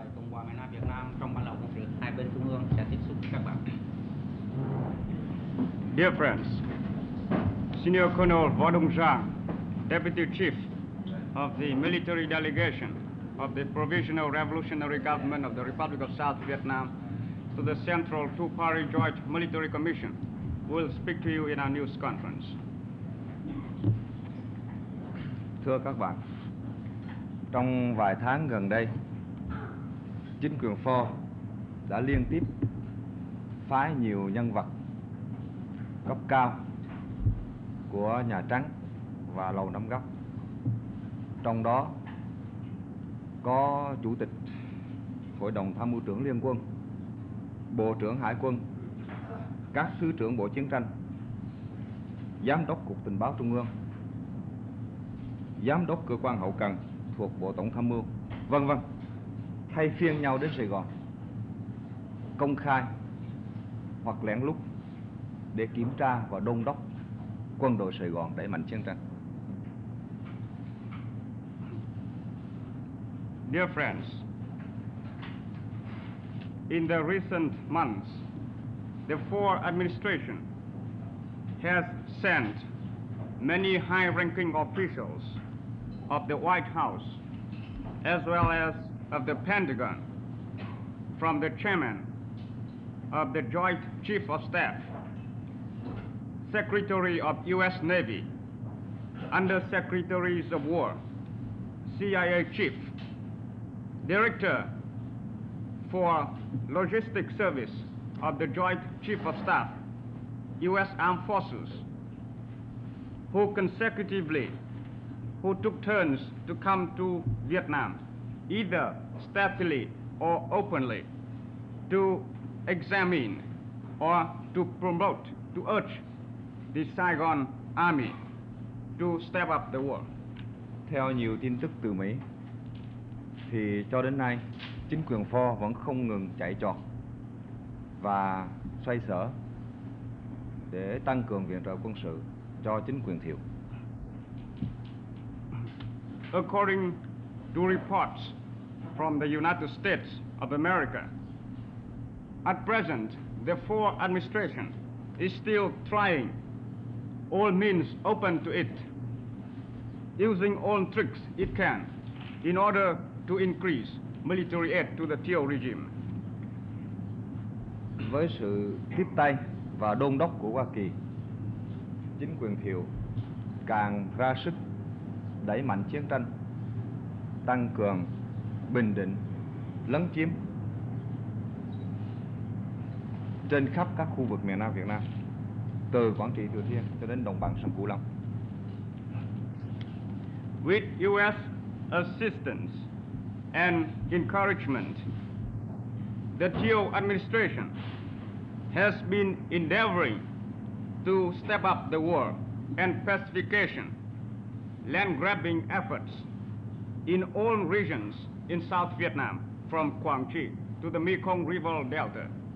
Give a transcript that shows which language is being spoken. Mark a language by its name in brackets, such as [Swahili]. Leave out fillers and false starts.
[Vietnamese] qua miền Nam Việt Nam trong bản lầu quân sự hai bên trung ương sẽ tiếp xúc các bạn. [English] Dear friends, Senior Colonel Võ Đông Giang, Deputy Chief of the Military Delegation of the Provisional Revolutionary Government of the Republic of South Vietnam to the Central Two-Party Joint Military Commission, will speak to you in our news conference. [Vietnamese] Thưa các bạn, trong vài tháng gần đây, chính quyền Pho đã liên tiếp phái nhiều nhân vật cấp cao của Nhà Trắng và Lầu Năm Góc, trong đó có Chủ tịch Hội đồng Tham mưu trưởng Liên quân, Bộ trưởng Hải quân, các Thứ trưởng Bộ Chiến tranh, Giám đốc Cục Tình báo Trung ương, Giám đốc Cơ quan Hậu cần thuộc Bộ Tổng Tham mưu, vân vân, thay phiên nhau đến Sài Gòn công khai hoặc lén lút để kiểm tra và đôn đốc quân đội Sài Gòn đẩy mạnh chiến tranh. [English] Dear friends, in the recent months, the Ford administration has sent many high-ranking officials of the White House, as well as of the Pentagon, from the chairman of the Joint Chief of Staff, Secretary of U.S. Navy, Under Secretaries of War, CIA Chief, Director for Logistics Service of the Joint Chief of Staff, U.S. Armed Forces, who took turns to come to Vietnam, either stealthily or openly, to examine or to promote, to urge the Saigon Army to step up the war. [Vietnamese] Theo nhiều tin tức từ Mỹ, thì cho đến nay, chính quyền Pho vẫn không ngừng chạy trọt và xoay sở để tăng cường viện trợ quân sự cho chính quyền Thiệu. [English] According to reports from the United States of America, at present, the Ford administration is still trying all means open to it, using all tricks it can, in order to increase military aid to the Thieu regime. [Vietnamese] Với sự tiếp tay và đôn đốc của Hoa Kỳ, chính quyền Thiệu càng ra sức đẩy mạnh chiến tranh, tăng cường bình định, lấn chiếm trên khắp các khu vực miền Nam Việt Nam, từ Quảng Trị Thừa Thiên cho đến đồng bằng sông Cửu Long. [English] With U.S. assistance and encouragement, the Thieu administration has been endeavoring to step up the war and pacification, land grabbing efforts in all regions in South Vietnam, from Quảng Trị to the Mekong River Delta.